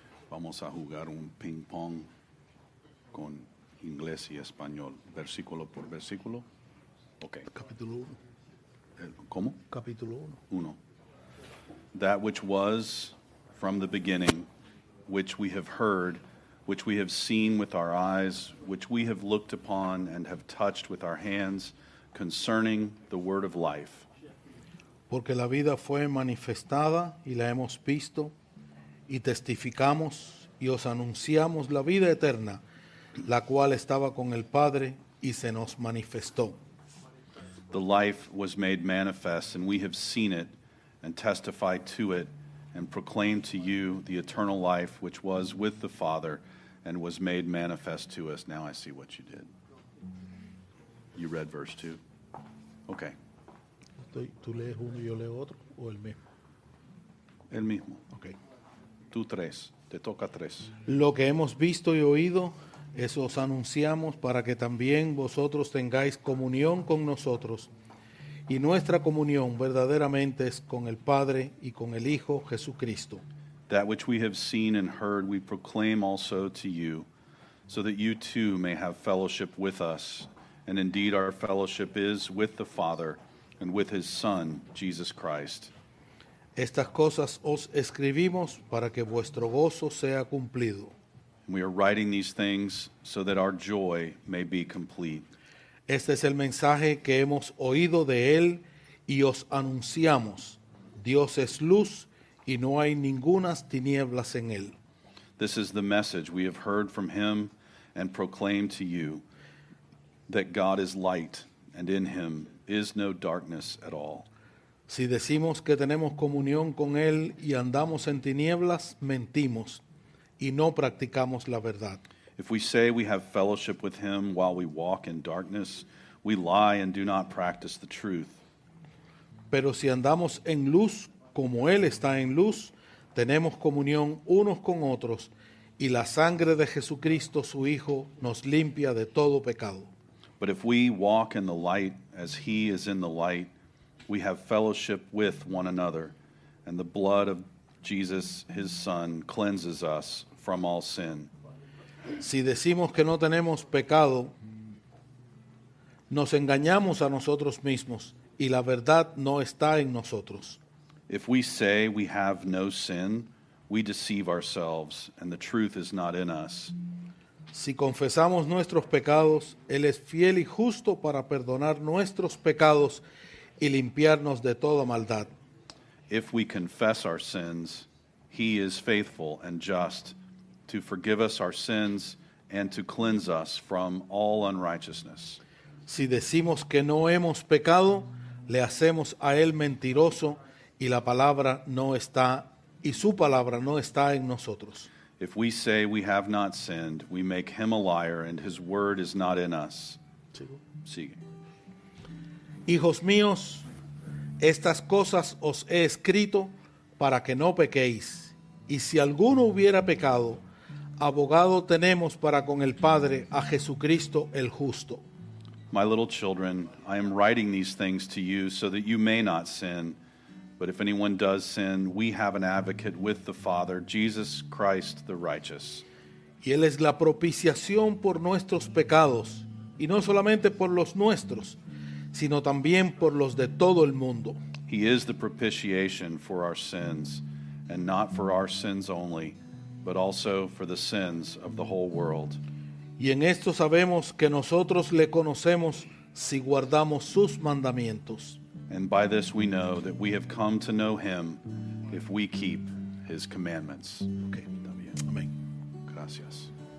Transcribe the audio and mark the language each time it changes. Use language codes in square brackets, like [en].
[es] Vamos a jugar un ping pong con inglés y español, versículo por versículo. [en] Okay. [es] Capítulo uno. ¿Cómo? Capítulo uno. Uno. [en] That which was from the beginning, which we have heard, which we have seen with our eyes, which we have looked upon and have touched with our hands, concerning the word of life. [es] Porque la vida fue manifestada y la hemos visto, y testificamos y os anunciamos la vida eterna, la cual estaba con el Padre y se nos manifestó. [en] The life was made manifest, and we have seen it and testified to it and proclaimed to you the eternal life which was with the Father and was made manifest to us. Now I see what you did. You read verse 2. Okay. [es] ¿Tú lees uno y yo leo otro o el mismo? El mismo. [en] Okay. [es] Tú tres. Te toca tres. Lo que hemos visto y oído, eso os anunciamos para que también vosotros tengáis comunión con nosotros. Y nuestra comunión verdaderamente es con el Padre y con el Hijo Jesucristo. [en] That which we have seen and heard, we proclaim also to you, so that you too may have fellowship with us. And indeed our fellowship is with the Father and with his Son, Jesus Christ. [es] Estas cosas os escribimos para que vuestro gozo sea cumplido. [en] We are writing these things so that our joy may be complete. [es] Este es el mensaje que hemos oído de él y os anunciamos. Dios es luz y no hay ningunas tinieblas en él. [en] This is the message we have heard from him and proclaim to you, that God is light and in him is no darkness at all. [es] Si decimos que tenemos comunión con él y andamos en tinieblas, mentimos y no practicamos la verdad. [en] If we say we have fellowship with him while we walk in darkness, we lie and do not practice the truth. [es] Pero si andamos en luz, como él está en luz, tenemos comunión unos con otros, y la sangre de Jesucristo, su Hijo, nos limpia de todo pecado. [en] But if we walk in the light as he is in the light, we have fellowship with one another, and the blood of Jesus, his Son, cleanses us from all sin. [es] Si decimos que no tenemos pecado, nos engañamos a nosotros mismos, y la verdad no está en nosotros. [en] If we say we have no sin, we deceive ourselves, and the truth is not in us. [es] Si confesamos nuestros pecados, él es fiel y justo para perdonar nuestros pecados y limpiarnos de toda maldad. [en] If we confess our sins, he is faithful and just to forgive us our sins and to cleanse us from all unrighteousness. [es] Si decimos que no hemos pecado, le hacemos a él mentiroso y la palabra no está, y su palabra no está en nosotros. [en] If we say we have not sinned, we make him a liar and his word is not in us. [es] Sigue. Hijos míos, estas cosas os he escrito para que no pequéis. Y si alguno hubiera pecado, abogado tenemos para con el Padre, a Jesucristo el Justo. [en] My little children, I am writing these things to you so that you may not sin. But if anyone does sin, we have an advocate with the Father, Jesus Christ the Righteous. [es] Y él es la propiciación por nuestros pecados, y no solamente por los nuestros, sino también por los de todo el mundo. [en] He is the propitiation for our sins, and not for our sins only, but also for the sins of the whole world. [es] Y en esto sabemos que nosotros le conocemos si guardamos sus mandamientos. [en] And by this we know that we have come to know him if we keep his commandments. [es] Okay, también. Amén. Gracias.